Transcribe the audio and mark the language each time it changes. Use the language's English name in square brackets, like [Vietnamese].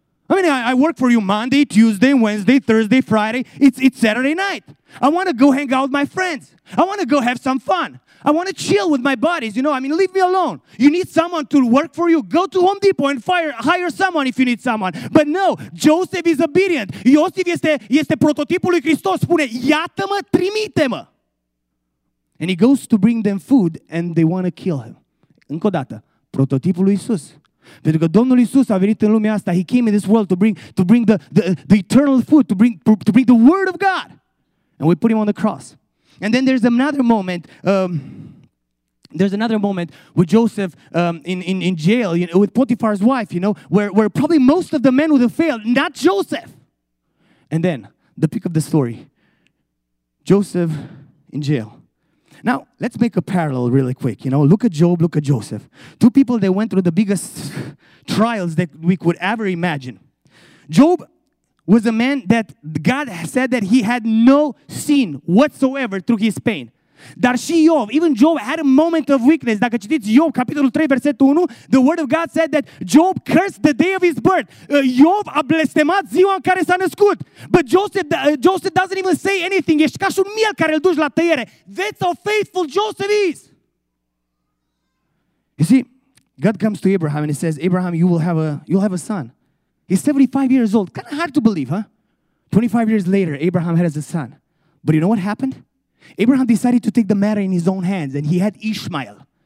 [English] I mean, I work for you Monday, Tuesday, Wednesday, Thursday, Friday. It's Saturday night. I want to go hang out with my friends. I want to go have some fun. I want to chill with my buddies. You know, I mean, leave me alone. You need someone to work for you. Go to Home Depot and hire someone if you need someone. But no, Joseph is obedient. [Romanian] Iosif este prototipul lui Hristos. Spune, iată-mă, trimite-mă. [English] And he goes to bring them food and they want to kill him. [Romanian] Încă o dată, prototipul lui Iisus. Pentru că Domnul Iisus a venit în lumea asta. [English] He came in this world to bring the eternal food, to bring the word of God. And we put him on the cross. And then there's another moment with Joseph in jail, you know, with Potiphar's wife, you know, where probably most of the men would have failed, not Joseph. And then the peak of the story. Joseph in jail. Now, let's make a parallel really quick. You know, look at Job, look at Joseph. Two people that went through the biggest trials that we could ever imagine. Job was a man that God said that he had no sin whatsoever through his pain. [Romanian] Dar și Iov, [English] even Job had a moment of weakness. [Romanian] Dacă citiți Iov, capitolul 3, versetul 1, [English] the word of God said that Job cursed the day of his birth. [Romanian] Iov a blestemat ziua în care s-a născut. [English] But Joseph doesn't even say anything. [Romanian] Ești ca și un miel care îl duci la tăiere. [English] That's how faithful Joseph is. You see, God comes to Abraham and he says, Abraham, you'll have a son. He's 75 years old. Kind of hard to believe, huh? 25 years later, Abraham has a son. But you know what happened? Abraham decided to take the matter in his own hands, and he had Ishmael.